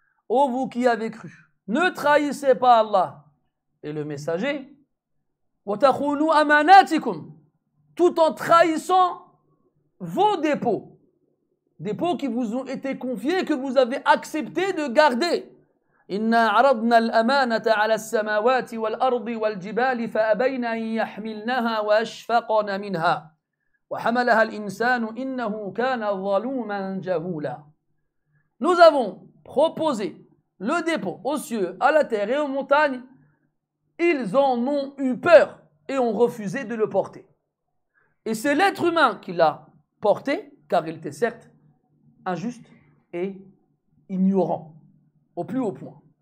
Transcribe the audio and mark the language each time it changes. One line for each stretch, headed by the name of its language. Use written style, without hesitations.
French: Ô vous qui avez cru, ne trahissez pas Allah et le messager,
Arabic: wa takhunu amanatikum,
French: tout en trahissant vos dépôts, dépôts qui vous ont été confiés, que vous avez accepté de garder.
Arabic: إنا عرضنا الأمانة على السماوات والأرض والجبال فأبين أن يحملنها وأشفقن منها وحملها الإنسان إنه كان ظلوما جهولا.
French: Nous avons proposé le dépôt aux cieux, à la terre et aux montagnes. Ils en ont eu peur et ont refusé de le porter. Et c'est l'être humain qui l'a porté, car il était certes injuste et ignorant, au plus haut point.